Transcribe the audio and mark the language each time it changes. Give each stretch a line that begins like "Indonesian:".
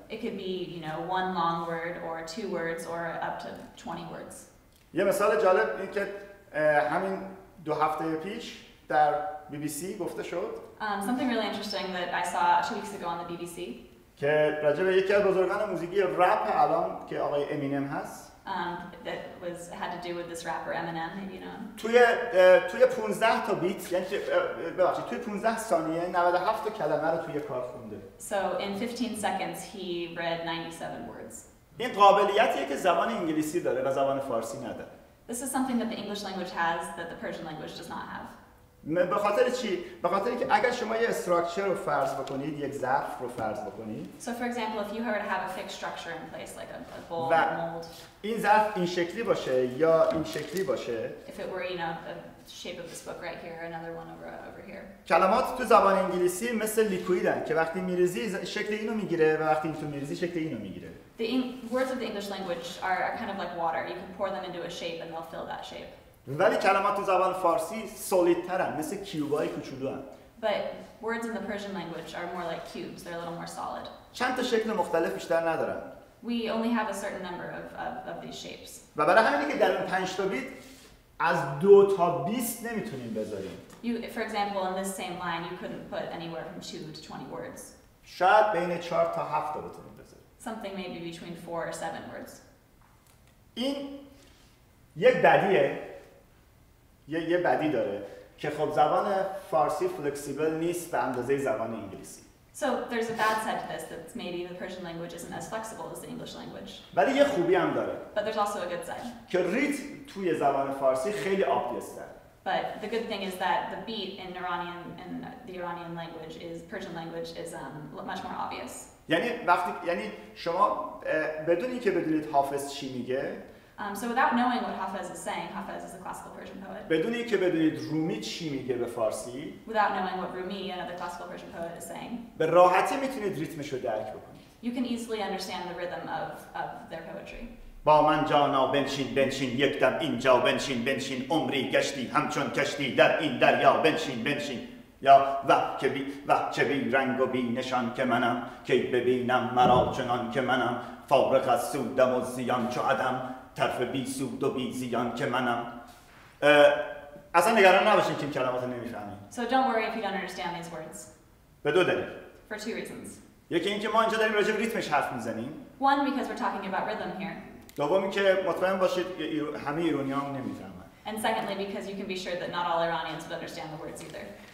English: it could be you know one long word or two words or up to 20 words
Persian: یه مثال جالب این که همین دو هفته پیش در BBC گفته شد
English: something really interesting that I saw 2 weeks ago on the BBC
Persian: که راجع به یکی از بزرگان موسیقی رپ الان که آقای امینم هست
English: that was had to do with this rapper Eminem you know
Persian: توی 15 تا بیت یعنی ببخشید توی 15 ثانیه 97 تا کلمه رو توی کار خونده
English: so in 15 seconds he read 97 words
Persian: این قابلیتیه که زبان انگلیسی داره و زبان فارسی نداره
English: This is something that the English language has that the Persian language does not have.
Persian: به خاطر چی؟ به خاطر اینکه اگر شما یه استراکچر رو فرض بکنید، یک ظرف رو فرض بکنید.
English: So for example, if you were to have a fixed structure in place like a bowl or mold.
Persian: این ظرف این شکلی باشه یا این شکلی باشه.
English: If it were, you know, the shape of this book right here or another one over here.
Persian: کلمات تو زبان انگلیسی مثل لیکویدن که وقتی می‌ریزی شکل اینو می‌گیره و وقتی تو می‌ریزی شکل اینو می‌گیره.
English: The words of the English language are kind of like water. You can pour them into a shape and they'll fill that shape.
Persian: ولی کلمات تو زبان فارسی سولیدترن مثل کیوبای کوچولوان.
English: But words in the Persian language are more like cubes. They're a little more solid.
Persian: چند تا شکل مختلف بیشتر ندارن.
English: We only have a certain number of these shapes.
Persian: و برای همینه که در اون 5 تا بیت از 2 تا 20 نمیتونیم بذاریم.
English: You for example in this same line you couldn't put anywhere from 2 to 20 words.
Persian: شاید بین 4 تا 7 تا بتونیم بذاریم.
English: Something maybe between 4 or 7 words.
Persian: این یک بدیه. یه بدی داره که خب زبان فارسی فلکسیبل نیست به اندازه زبان انگلیسی.
English: So there's a bad side to this that maybe the Persian language isn't as flexible as the English language.
Persian: ولی یه خوبی هم داره.
English: But there's also a good side.
Persian: که ریتم توی زبان فارسی خیلی obvious‌تره.
English: But the good thing is that the beat in Iranian in the Iranian language is Persian language is much more obvious.
Persian: یعنی وقتی یعنی شما بدون اینکه بدونید حافظ چی میگه
English: So without knowing what Hafez is saying, Hafez is a classical Persian poet.
Persian: بدونی که بدونید رومی چی میگه به فارسی.
English: Without knowing what Rumi, another classical Persian poet, is saying.
Persian: به راحتی میتونید ریتمش رو درک بکنید.
English: You can easily understand the rhythm of their poetry.
Persian: با من جانا بنشین بنشین یک دم اینجا بنشین بنشین عمری گشتی همچون کشتی در این دریا بنشین بنشین یا وحکبی رنگ و بی نشان که منم که ببینم مرا چنان که منم فارغ از سودم و زیان چو عدم طرف بی سود و بی زیان که منم اصلا نگران نباشید که این کلمات رو نمیفهمید
English: So don't worry if you don't understand these words
Persian: به دو دلیل
English: For two reasons
Persian: یکی اینکه ما اینجا داریم راجع به ریتمش حرف میزنیم
English: One because we're talking about rhythm here
Persian: دوم اینکه مطمئن باشید همه ایرانی ها نمیفهمند
English: And secondly because you can be sure that not all Iranians would understand the words either